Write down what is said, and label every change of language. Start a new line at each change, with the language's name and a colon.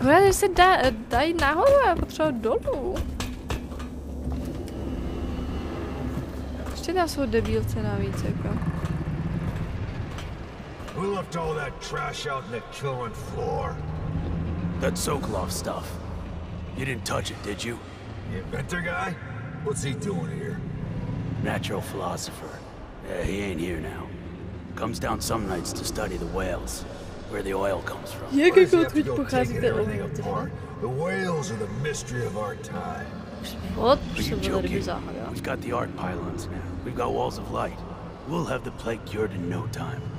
Czech: Se dají nahoru a potřebuji dolů. Ještě tam jsou debílce navíc, jako.
English: Who left all that trash out in the killing floor? That Sokolov stuff. You didn't touch it, did you? The inventor guy? What's he doing here? Natural philosopher. Yeah, he ain't here now. Comes down some nights to study the whales. Where the oil comes from.
Czech: Jak jako odkud pochází ten oil?
English: The whales are the mystery of our time. What? Are you joking? We've got the art pylons now. We've got walls of light. We'll have the plague cured in no time.